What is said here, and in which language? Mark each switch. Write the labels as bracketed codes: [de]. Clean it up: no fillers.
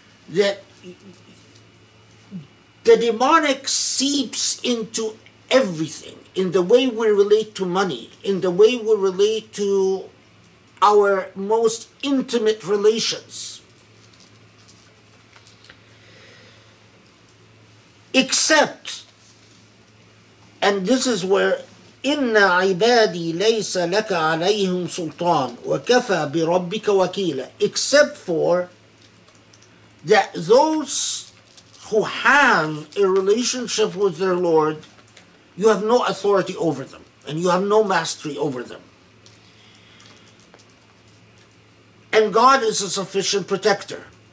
[en] That the demonic seeps into everything, in the way we relate to money, in the way we relate to our most intimate relations. Except, and this is where, [ar] إِنَّ عِبَادِي لَيْسَ لَكَ عَلَيْهِمْ سُلْطَانٌ وَكَفَى بِرَبِّكَ وَكِيلًا. [en] Except for that those who have a relationship with their Lord, you have no authority over them, and you have no mastery over them. And God is a sufficient protector.